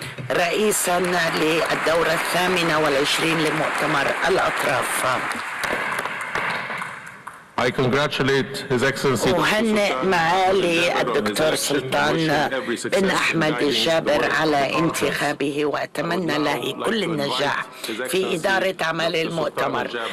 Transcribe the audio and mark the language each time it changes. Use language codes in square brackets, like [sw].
[ar] رئيسا للدورة 28 لمؤتمر الأطراف. [en] I congratulate His Excellency Dr. Sultan Ahmed Jaber on his election [ar] على انتخابه وأتمنى له كل النجاح في إدارة أعمال المؤتمر.